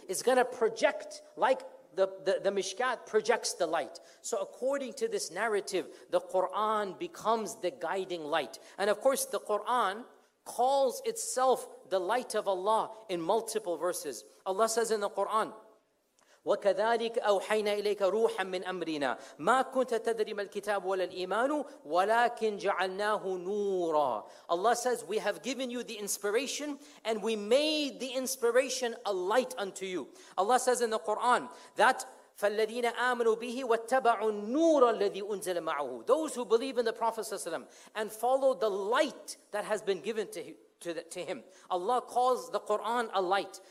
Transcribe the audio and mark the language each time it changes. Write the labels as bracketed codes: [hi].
[en] It's going to project like the mishkat projects the light. So according to this narrative, the Quran becomes the guiding light. And of course, the Quran calls itself the light of Allah in multiple verses. Allah says in the Quran, [ar] وكذلك أوحينا إليك روحا من أمرنا ما كنت تدري ما الكتاب ولا الإيمان ولكن جعلناه نورا. [en] Allah says, we have given you the inspiration and we made the inspiration a light unto you. Allah says in the Quran that [ar] فالذين آمنوا به واتبعوا النور الذي أنزل معه. [en] Those who believe in the Prophet [ar] صلى الله عليه وسلم [en] and follow the light that has been given to him. Allah calls the Quran a light.